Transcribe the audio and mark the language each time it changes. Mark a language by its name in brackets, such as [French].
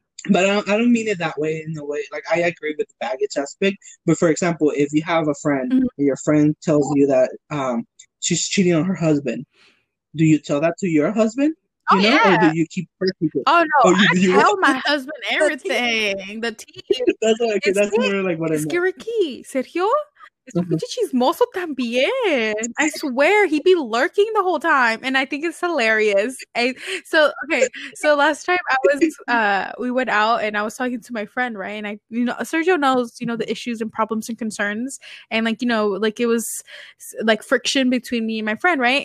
[English] But I don't mean it that way, in a way. Like, I agree with the baggage aspect. But, for example, if you have a friend, mm-hmm. and your friend tells you that... she's cheating on her husband. Do you tell that to your husband? Or do you keep her secret? Oh, no. I tell my husband everything. That's what I mean. [Spanish] Ricky, Sergio, es un pinche chismoso también. [English] I swear, he'd be lurking the whole time. And I think it's hilarious. So last time I was, we went out and I was talking to my friend, right? And I, you know, Sergio knows, you know, the issues and problems and concerns. And like, you know, like it was like friction between me and my friend, right?